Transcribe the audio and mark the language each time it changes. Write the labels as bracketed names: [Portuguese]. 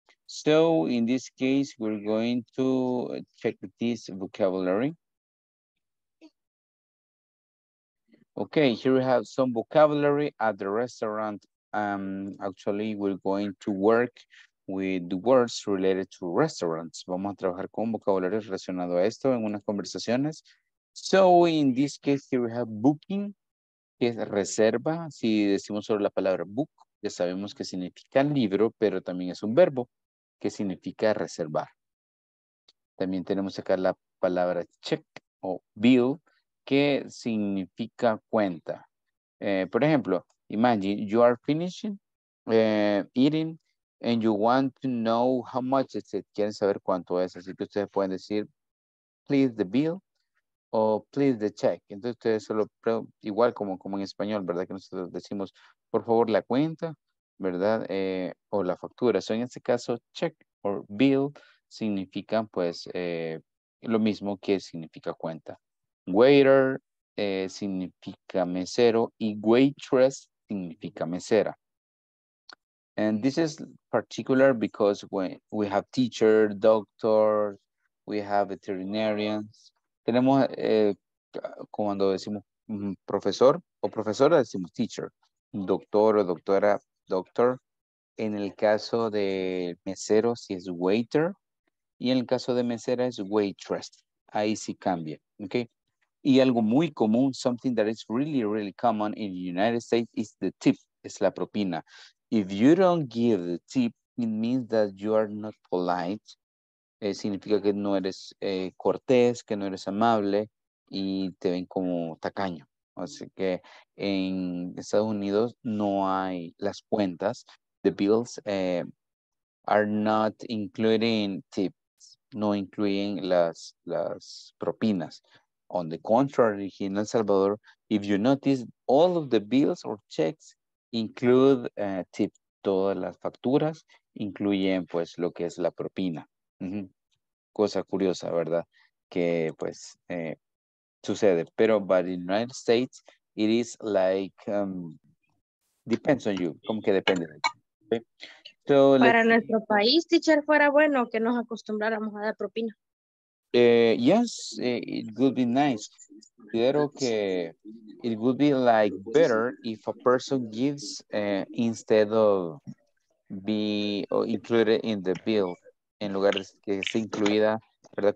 [English] So in this case, we're going to check this vocabulary. Okay, here we have some vocabulary at the restaurant. Actually, we're going to work with the words related to restaurants. [Spanish] Vamos a trabajar con vocabulario relacionado a esto en unas conversaciones. [English] So, in this case, here we have booking, [Spanish] que es reserva. Si decimos solo la palabra book, ya sabemos que significa libro, pero también es un verbo que significa reservar. También tenemos acá la palabra check o bill, ¿qué significa cuenta? Por ejemplo, [English] imagine you are finishing eating and you want to know how much is it. [Spanish] Quieren saber cuánto es. Así que ustedes pueden decir, [English] please the bill [Spanish] o [English] please the check. [Spanish] Entonces ustedes solo, igual como en español, ¿verdad? Que nosotros decimos, por favor, la cuenta, ¿verdad? O la factura. So, en este caso, check or bill significan pues lo mismo que significa cuenta. Waiter significa mesero y waitress significa mesera. [English] And this is particular because we have teacher, doctors, we have veterinarians. [Spanish] Tenemos, cuando decimos profesor o profesora, decimos teacher. Doctor o doctora, doctor. En el caso de mesero, si es waiter. Y en el caso de mesera, es waitress. Ahí sí cambia, ¿ok? Y algo muy común, [English] something that is really, really common in the United States is the tip, [Spanish] es la propina. [English] If you don't give the tip, it means that you are not polite. [Spanish] Significa que no eres cortés, que no eres amable y te ven como tacaño. Así que en Estados Unidos no hay las cuentas, [English] the bills are not including tips, [Spanish] no incluyen las propinas. [English] On the contrary, in El Salvador, if you notice, all of the bills or checks include tip. [Spanish] Todas las facturas incluyen, pues, lo que es la propina. Mm-hmm. Cosa curiosa, ¿verdad? Que, pues, sucede. Pero, [English] but in the United States, it is like, depends on you. [Spanish] Como que depende de ti. Okay. So, para nuestro país, teacher, fuera bueno que nos acostumbráramos a dar propina. [English] Yes, it would be nice. [Spanish] Pero que [English] it would be like better if a person gives instead of be or included in the bill, [Spanish] en lugar de que sea incluida, ¿verdad?